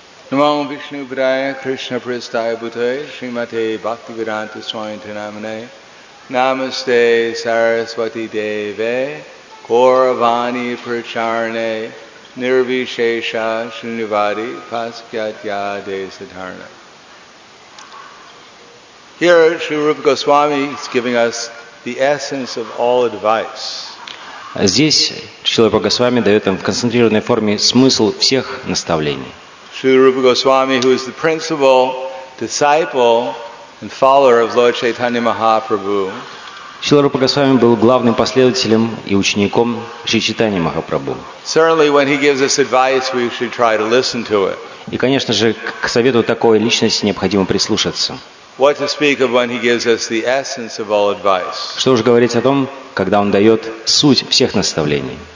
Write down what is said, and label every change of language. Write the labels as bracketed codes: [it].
[sa] Намо Вишну Падая Кришна Престая Бутае Шримате Бхактивиданта Свамите Намане Намасте Сарасвати Деве Гауравани Прачарне Нирвишеша Шунивади Паскатья Де Сатарна. [en] Here, Sri Rupa Goswami is giving us the essence of all advice. [ru] Здесь Шрила Гасвами дает нам в концентрированной форме смысл всех наставлений. [en] Sri Rupa Goswami, who is the principal disciple and follower of Lord Chaitanya Mahaprabhu. [ru] Шрила Рупа Госвами был главным последователем и учеником Шри Чайтаньи Махапрабху. [en] Certainly, when he gives us advice, we should try to listen to it. [ru] И, конечно же, к совету такой личности необходимо прислушаться. [en] What to speak of when he gives us the essence of all advice? [ru] Что уж говорить о том, когда он дает суть всех наставлений?